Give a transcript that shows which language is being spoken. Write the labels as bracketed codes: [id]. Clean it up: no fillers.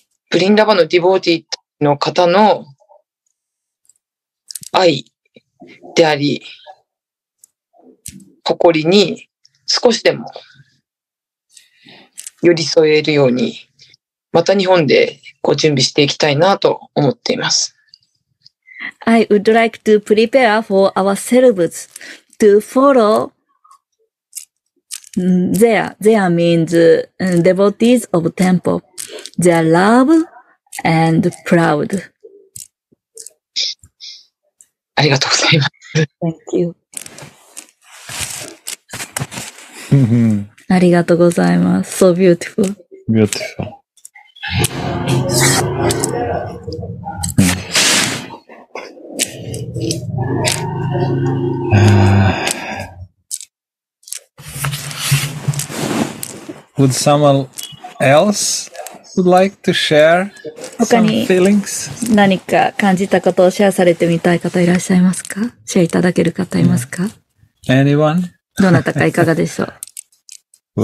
[ja] ブリンダーバンのディボーティーの方の愛であり、誇りに少しでも寄り添えるように、また日本でご準備していきたいなと思っています。 [en] I would like to prepare for ourselves to follow there. There means devotees of temple. They are love and proud. [ja] ありがとうございます。 [en] Thank you. [ja] ありがとうございます。 [en] So beautiful. Beautiful. Would someone else would like to share some feelings? [ja] 他に何か感じたことをシェアされてみたい方いらっしゃいますか？シェアいただける方いますか？ [en] Anyone? [ja] どなたかいかがでしょう？